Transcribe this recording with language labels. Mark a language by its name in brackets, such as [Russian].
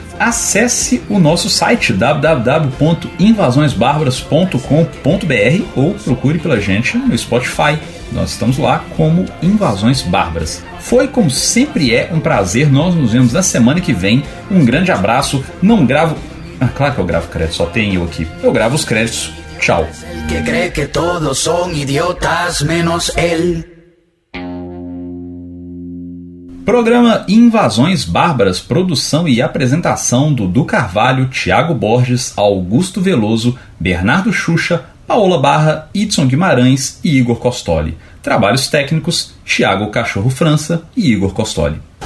[Portuguese] Acesse o nosso site www.invasõesbárbaras.com.br ou procure pela gente no Spotify. Nós estamos lá como Invasões Bárbaras. Foi, como sempre é, um prazer. Nós nos vemos na semana que vem. Um grande abraço. Não gravo... Ah, claro que eu gravo crédito, só tem eu aqui. Eu gravo os créditos. Tchau. [Spanish] Que cree que todos son idiotas menos él. [Portuguese] Programa Invasões Bárbaras, produção e apresentação Dudu Carvalho, Thiago Borges, Augusto Veloso, Bernardo Xuxa, Paola Barra, Itson Guimarães e Igor Costoli. Trabalhos técnicos, Thiago Cachorro França e Igor Costoli.